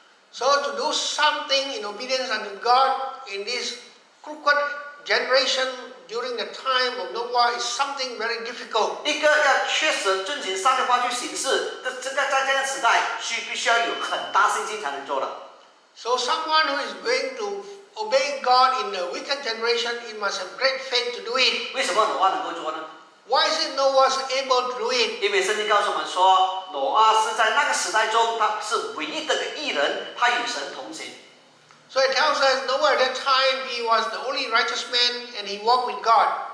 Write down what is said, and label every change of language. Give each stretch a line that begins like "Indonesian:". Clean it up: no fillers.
English: So to do something in obedience unto God in this crooked generation during the time of Noah is something very difficult.
Chinese: 一个要确实遵循上帝话去行事，这在这样的时代，需要有很大信心才能做的。
English: So someone who is going to obey God in the wicked generation, he must have great faith to do it.
Chinese: 为什么挪亚能够做呢？
English: Why is it Noah able to do it?
Chinese: 因为圣经告诉我们说，挪亚是在那个时代中，他是唯一的一个义人，他与神同行。
English: So it tells us Noah at that time he was the only righteous man and he walked with God.